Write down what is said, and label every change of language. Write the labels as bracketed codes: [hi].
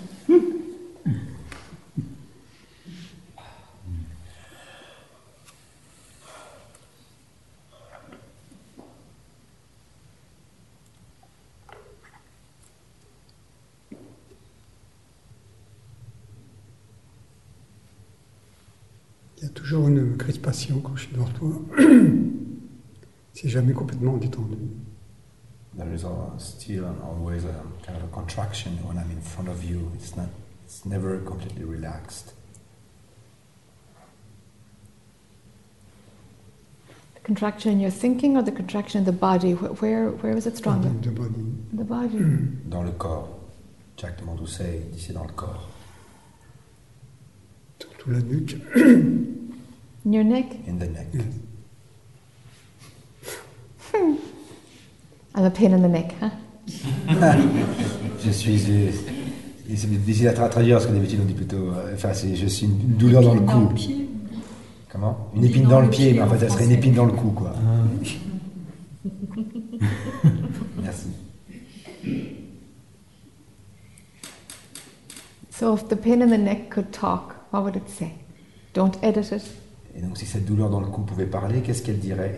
[fr] Il y a toujours une crispation quand je suis devant toi. C'est jamais complètement détendu. [en] There is still and always a kind of a contraction when I'm in front of you. It's never completely relaxed. The contraction in your thinking or the contraction in the body? Where is it stronger? In the body. The body. [fr] Dans le corps. Jacques de Mandousset dit c'est dans le corps. Tu sous la nuque. [en] In your neck? In the neck. Yes. I'm a pain in the neck, huh? [fr] Je suis... c'est difficile à traduire parce que d'habitude on dit plutôt... enfin, je suis une douleur dans le cou. Dans le pied. Comment? Une épine dans le pied, mais en fait, ça serait une épine dans le cou, quoi. Ah. Merci. [en] So if the pain in the neck could talk, what would it say? Don't edit it. [fr] Et donc si cette douleur dans le cou pouvait parler, qu'est-ce qu'elle dirait?